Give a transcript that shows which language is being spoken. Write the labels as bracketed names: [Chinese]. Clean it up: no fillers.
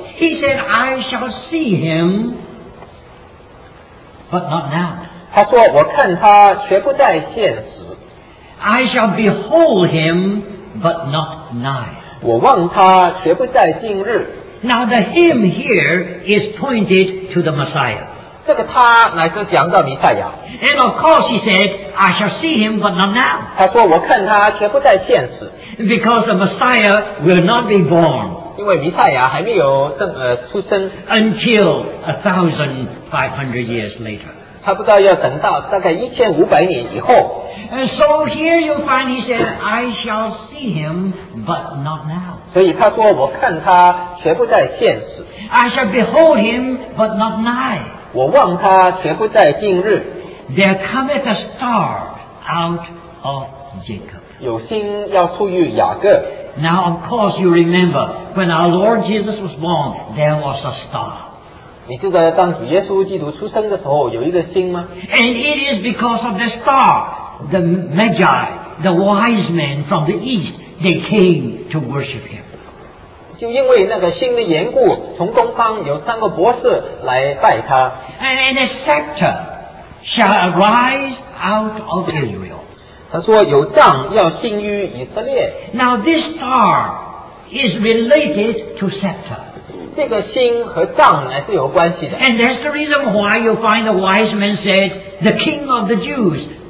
[English] He said, "I shall see him, but not now." [Chinese] 他说，我看他却不在现时。 [English] I shall behold him, but not nigh. [Chinese] 我望他却不在近日。 [English] Now the him here is pointed to the Messiah. [Chinese] 这个他乃是讲到弥赛亚。 [English] And of course he said, I shall see him, but not now. [Chinese] 他说我看他却不在现时。 [English] Because the Messiah will not be born. [Chinese] 因为弥赛亚还没有出生。 [English] Until 1,500 years later. [Chinese] 他不知道要等到大概1500年以后。 [English] And so here you find he said, I shall see him, but not now. [Chinese] 所以他说我看他却不在现时。 [English] I shall behold him, but not nigh. [Chinese] 我望他却不在近日。 [English] There cometh a star out of Jacob. [Chinese] 有星要出于雅各。 [English] Now of course you remember, when our Lord Jesus was born, there was a star. [Chinese] 你记得当主耶稣基督出生的时候有一个星吗？ [English] And it is because of the star. The Magi, the wise men from the east, they came to worship him. [Chinese] 就因为那个星的缘故，从东方有三个博士来拜他。 [English] And a scepter shall arise out of Israel. [Chinese] 他说有杖要兴于以色列。 [English] Now this star is related to scepter. [Chinese] 这个星和杖乃是有关系的。 [English] And that's the reason why you find the wise men said the king of the Jews.